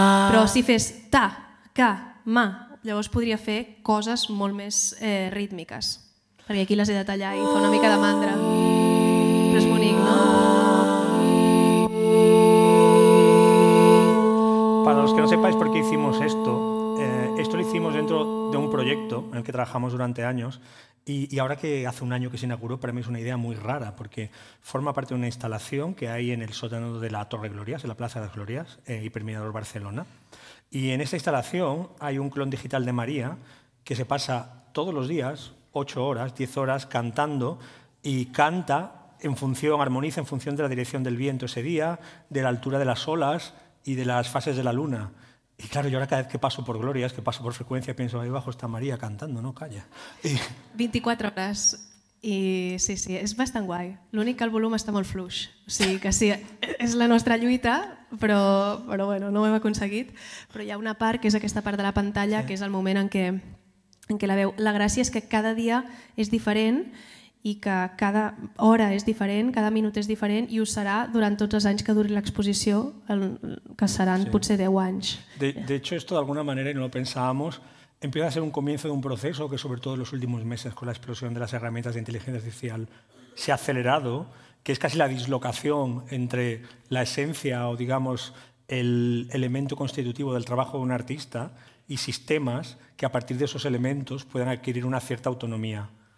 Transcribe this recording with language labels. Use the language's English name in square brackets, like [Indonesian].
[Catalan] Però si fes ta, ca, ma, llavors podria fer coses molt més rítmiques, perquè aquí les he de tallar i fa una mica de mandra, però és bonic, no? [Spanish] Para los que no sepáis por qué hicimos esto, esto lo hicimos dentro de un proyecto en el que trabajamos durante años, Y ahora que hace un año que se inauguró, para mí es una idea muy rara, porque forma parte de una instalación que hay en el sótano de la Torre Glorias, en la Plaza de las Glorias, Hipermirador Barcelona. Y en esa instalación hay un clon digital de María que se pasa todos los días, 8 horas, 10 horas, cantando, y canta en función, armoniza en función de la dirección del viento ese día, de la altura de las olas y de las fases de la luna. Y claro, yo ahora cada vez que paso por Glorias, que paso por frecuencia, pienso, ahí abajo está María cantando, no calla. Y 24 horas. [Catalan] I sí, sí, és bastant guai. L'únic que el volum està molt fluix. O sigui que sí, és la nostra lluita, però bueno, no ho hem aconseguit. Però hi ha una part, que és aquesta part de la pantalla, sí, que és el moment en què la veu. La gràcia és que cada dia és diferent i que cada hora és diferent, cada minut és diferent, i ho serà durant tots els anys que duri l'exposició, que seran sí, potser 10 anys. [Spanish] De hecho, esto de alguna manera, y no lo pensábamos, empieza a ser un comienzo de un proceso que, sobre todo en los últimos meses, con la explosión de las herramientas de inteligencia artificial, se ha acelerado, que es casi la dislocación entre la esencia o, digamos, el elemento constitutivo del trabajo de un artista y sistemas que, a partir de esos elementos, puedan adquirir una cierta autonomía.